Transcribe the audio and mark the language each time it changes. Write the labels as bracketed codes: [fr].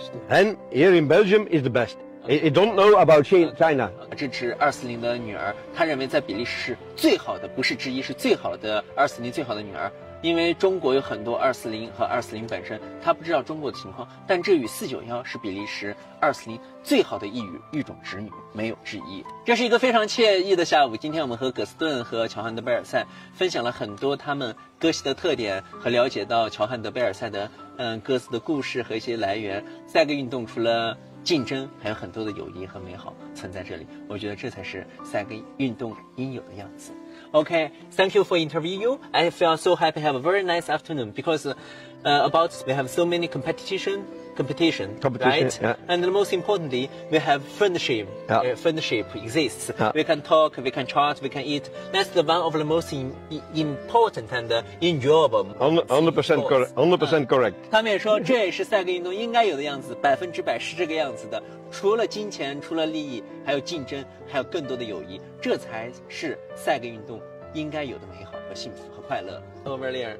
[en] And here in Belgium is the best. I don't know about China. [zh] 这只240的女儿，她认为在比利时是最好的，不是之一，是最好的240最好的女儿。因为中国有很多240和240本身，她不知道中国的情况，但这与491是比利时240最好的育种侄女没有之一。这是一个非常惬意的下午。今天我们和葛斯顿和乔汉德贝尔赛分享了很多他们鸽系的特点，和了解到乔汉德贝尔赛的鸽子的故事和一些来源。赛鸽运动除了竞争，还有很多的友谊和美好存在这里，我觉得这才是赛鸽运动应有的样子。 [en] Okay, thank you for interviewing you. I feel so happy. Have a very nice afternoon because, about we have so many competition, right? Yeah. And most importantly, we have friendship. Yeah. Friendship exists. Yeah. We can talk, we can chat, we can eat. That's the one of the most important and enjoyable. 100% correct. 100% correct. [zh] 他们也说这也是赛鸽运动应该有的样子，百分之百是这个样子的。除了金钱，除了利益，还有竞争，还有更多的友谊，这才是赛鸽运动应该有的美好和幸福和快乐。 [en] Over there.